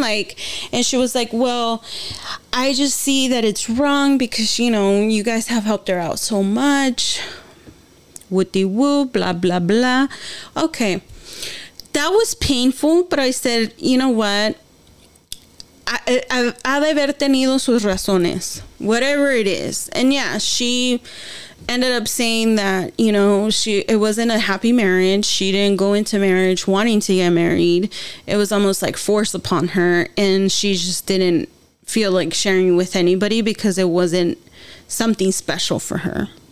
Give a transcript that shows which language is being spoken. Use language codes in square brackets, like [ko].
[en] Like, and she was like, well, I just see that it's wrong because, you know, you guys have helped her out so much. Woody woo, blah, blah, blah. Okay. That was painful, but I said, you know what? [es] Ha de haber tenido sus razones, [en] whatever it is. And yeah, she ended up saying that, you know, it wasn't a happy marriage. She didn't go into marriage wanting to get married. It was almost like forced upon her, and she just didn't feel like sharing with anybody because it wasn't something special for her.